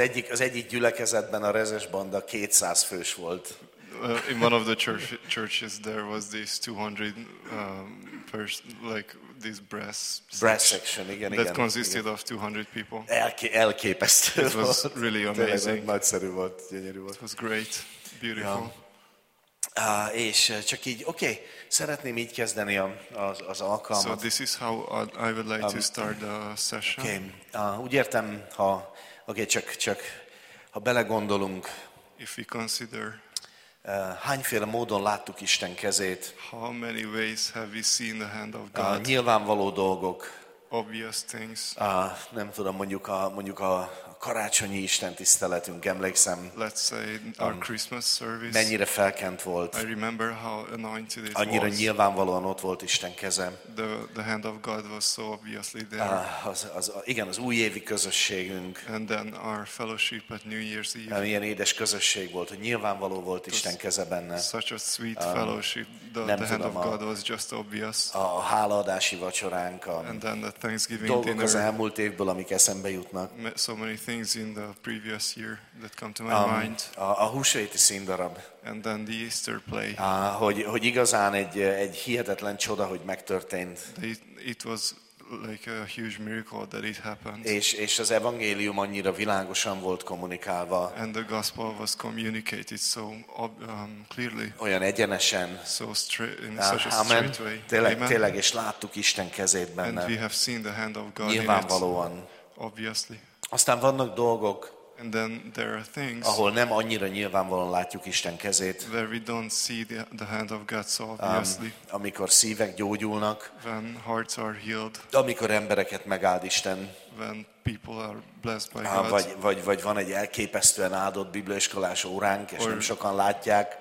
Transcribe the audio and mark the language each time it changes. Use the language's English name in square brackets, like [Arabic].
[Hungarian] Az egyik gyülekezetben a rezes banda 200 fős volt. [English] In one of the churches there was this 200 person, like this brass section [Hungarian] igen. [English] That consisted of 200 people. [Hungarian] Elképesztő. [English] It was really amazing. [Hungarian] Nagyszerű volt, gyönyörű volt. [English] It was great, beautiful. Yeah. [Hungarian] És csak így, okay, szeretném így kezdeni az alkalmat. [English] So this is how I would like to start the session. [Hungarian] Okay, úgy értem, ha okay, csak ha belegondolunk. [English] If we consider. [Hungarian] Hányféle módon láttuk Isten kezét? [English] How many ways have we seen the hand of God? [Hungarian] Nyilvánvaló dolgok. [English] Obvious things. [Hungarian] Nem tudom, mondjuk a karácsonyi istentiszteletünk, emlékszem. [English] Let's say our Christmas service. [Hungarian] Mennyire felkent volt. [English] I remember how anointed it was. [Hungarian] Annyira nyilvánvalóan ott volt Isten keze. [English] The hand of God was so obviously there. [Hungarian] Az újévi közösségünk. [English] And then our fellowship at New Year's Eve. [Hungarian] Milyen édes közösség volt, hogy nyilvánvaló volt Isten keze benne. [English] Such a sweet fellowship. The hand of God was just obvious. [Hungarian] A hálaadási vacsoránk. [English] And then the Thanksgiving [Hungarian] dolgok [English] dinner. [Hungarian] Az elmúlt évből, amik eszembe jutnak. [English] So many things in the previous year that come to my mind. [Hungarian] A húsvéti színdarab. [English] And then the Easter play. [Hungarian] Hogy igazán egy hihetetlen csoda, hogy megtörtént. [English] It was like a huge miracle that it happened. [Hungarian] És az evangélium annyira világosan volt kommunikálva. [English] And the gospel was communicated so clearly. [Hungarian] Olyan egyenesen. [English] So straight way. [Hungarian] Tényleg, és láttuk Isten kezét benne. [English] And we have seen the hand of God. [Hungarian] Nyilvánvalóan. [English] Obviously. [Hungarian] Aztán vannak dolgok, [English] and then there are things, [Hungarian] ahol nem annyira nyilvánvalóan látjuk Isten kezét, [English] where we don't see the hand of God so obviously, [Hungarian] amikor szívek gyógyulnak, [English] when hearts are healed, [Hungarian] amikor embereket megáld Isten, [English] when people are blessed by God, [Hungarian] vagy van egy elképesztően áldott bibliaiskolás óránk, és nem sokan látják.